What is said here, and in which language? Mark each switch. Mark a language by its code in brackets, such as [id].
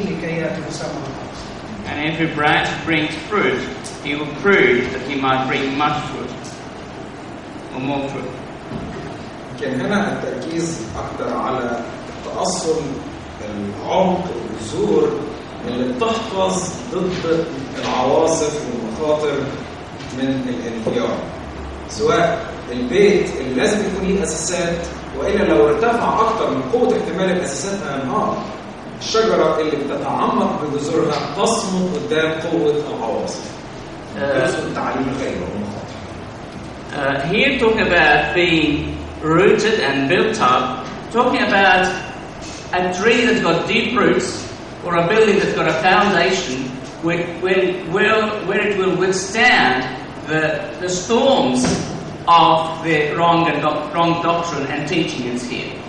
[en] And every branch brings fruit, he will prove that he might bring much fruit or more fruit. [ar] كان هنا التركيز أكثر على تأصل العمق والزور اللي بتحفظ ضد العواصف والمخاطر من الانهيار. سواء البيت اللي لازم يكون ليه أساسات وإلا لو ارتفع أكثر من قوة احتمال الأساسات انهار. الشجرة اللي بتتعمق بجذورها تصمد قدام قوة العواصف. تأصل التعليم الغير [en] Here talking about being rooted and built up, talking about a tree that's got deep roots or a building that's got a foundation where it will withstand the storms of the wrong doctrine and teaching is here.